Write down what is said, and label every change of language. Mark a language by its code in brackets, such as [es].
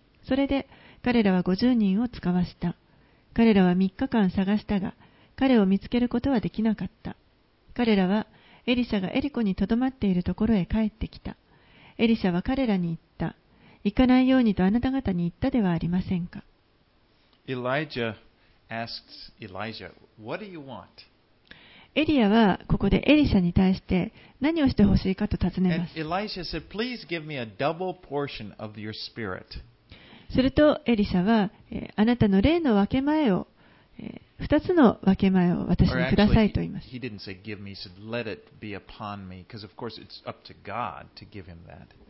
[ja] それで彼らは50人を使わした。彼らは3日間探したが、彼を見つけることはできなかった。彼らはエリシャがエリコにとどまっているところへ帰ってきた。エリシャは彼らに言った。行かないようにとあなた方に言ったではありませんか。 [en] Elijah asks Elijah, What do you want? [ja] エリアはここでエリシャに対して何をしてほしいかと尋ねます。エリシャ [en] said, Please give me a double portion of your spirit. [ja] するとエリシャは、あなたの霊の分け前を、二つの分け前を私にくださいと言います。 [en] He didn't say give me, said let it be upon me, because of course it's up to God to give him that.